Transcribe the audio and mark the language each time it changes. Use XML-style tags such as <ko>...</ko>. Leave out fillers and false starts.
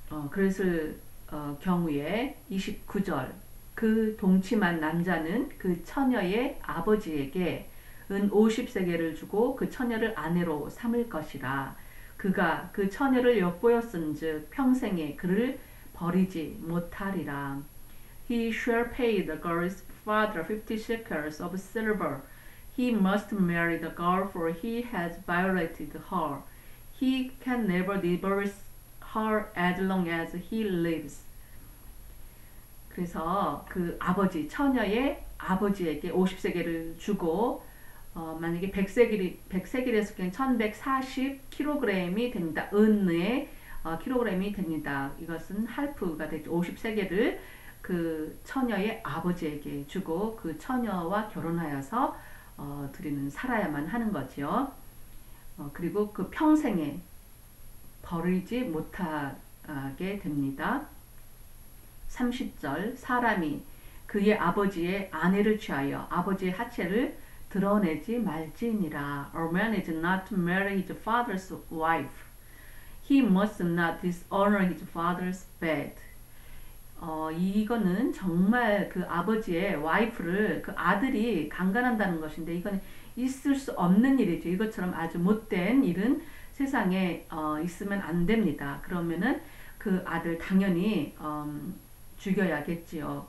<ko>그랬을 경우에 29절 그 동침한 남자는 그 처녀의 아버지에게 은 50세겔을 주고 그 처녀를 아내로 삼을 것이라. 그가 그 처녀를 엿보였은 즉 평생에 그를 버리지 못하리라.</ko> <en>He shall pay the girl's father 50 shekels of silver. He must marry the girl for he has violated her. He can never divorce her as long as he lives.</en> <ko>그래서 그 아버지, 처녀의 아버지에게 50세겔을 주고 만약에 100세겔에서 1140kg이 됩니다. 은의 kg이 됩니다. 이것은 할프가 되죠. 50세겔을 그 처녀의 아버지에게 주고 그 처녀와 결혼하여서 드리는 살아야만 하는 거지요. 그리고 그 평생에 버리지 못하게 됩니다. 30절 사람이 그의 아버지의 아내를 취하여 아버지의 하체를 드러내지 말지니라.</ko> <en>A man is not to marry his father's wife. He must not dishonor his father's bed.</en> <ko>이거는 정말 그 아버지의 와이프를 그 아들이 강간한다는 것인데 이건 있을 수 없는 일이죠. 이것처럼 아주 못된 일은 세상에 있으면 안 됩니다. 그러면은 그 아들 당연히 죽여야겠지요.</ko>